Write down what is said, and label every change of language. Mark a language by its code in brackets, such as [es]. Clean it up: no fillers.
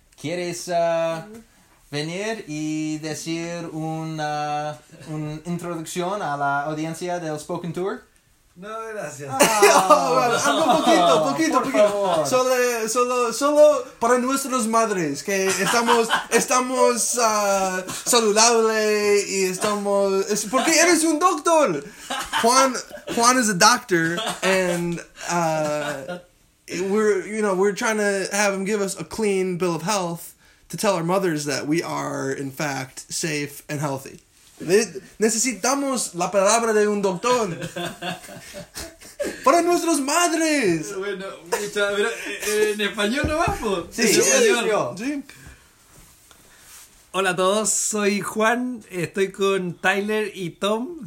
[es] ¿Quieres venir y decir un introducción a la audiencia del Spoken Tour? No, gracias. Algo poquito. Solo para nuestras madres, que estamos saludables y estamos... Es porque eres un doctor. [en] Juan is a doctor, and we're trying to have him give us a clean bill of health to tell our mothers that we are, in fact, safe and healthy. [es] Necesitamos la palabra de un doctor para nuestras madres. Bueno, mucha, mira, en español no vas, ¿po? Sí. Hola a todos, soy Juan, estoy con Tyler y Tom.